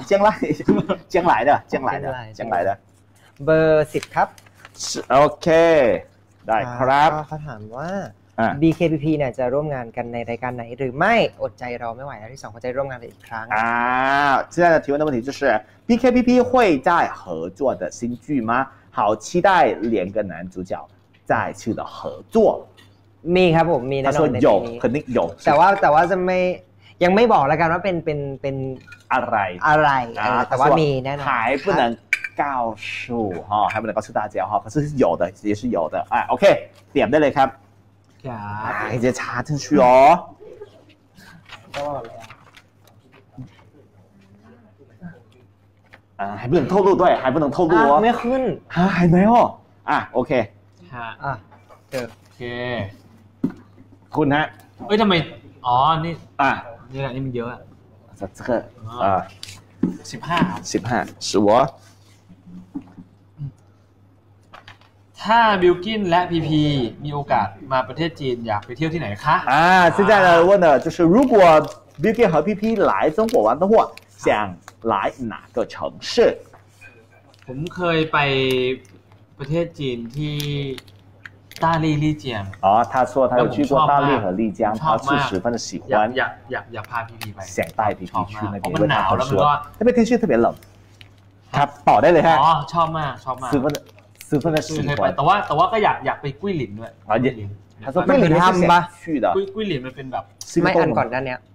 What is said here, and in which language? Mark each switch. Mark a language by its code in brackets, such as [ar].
[th] เชียงรายเชียงรายเถอะเชียงรายเถอะ เ ชียงรายเถอะ เบอร์10ครับ โอเคได้ครับ เขาถามว่าBKPP เนี่ยจะร่วมงานกันในรายการไหนหรือไม่อดใจรอไม่ไหวแล้วที่สองเขาจะร่วมงานกันอีกครั้ง อ่า [zh] 现在的提问的问题就是 BKPP 会在合作的新剧吗好期待两个男主角再次的合作 [th] มีครับผมมี แน่นอนในปีนี้ [zh] 肯定有 [th] แต่ว่าจะไม่ยังไม่บอกแล้วกันว่าเป็น อะไร อะไรแต่ว่ามีแน่นอน หายไม่ได้ [zh] 告诉哈还不能告诉大家哈可是是有的也是有的哎 OK 点 [th] ได้เลยครับ ไ อ้จะชาร์จขึ้นชัวร์ [zh] 还不能透露对还不能透露没 [th] ขึ้น ฮะ [zh] 还没哦啊 OK [th] ฮะ โอเค คุณฮะ เอ้ยทำไมอ๋อนี่นี่แหละนี่มันเยอะ สัก สิบห้า สิบห้า ถ้าบิลกินและพีพีมีโอกาสมาประเทศจีนอยากไปเที่ยวที่ไหนคะ [zh] 现在的问的就是如果 Bill Gin 和 PP 来中国玩的话想来哪个城市 [th] ผมเคยไปประเทศจีนที่ต้าลี่ลี่เจียง อ๋อ [zh] 他说他有去过大理和丽江他是十分的喜欢 [th] อยากพา PP ไป [zh] 想带 PP 去那边 [th] มันหนาวแล้วก็ [zh] 那边天气特别冷 [th] ครับตอบได้เลยฮะ อ๋อชอบมาก ซื้อเพื่อน ไปแต่ว่าก็อยากไปกุ้ยหลินด้วย กุ้ยหลินทำปะ กุ้ยหลินมันเป็นแบบ ไม่อันก่อนด้านเนี้ย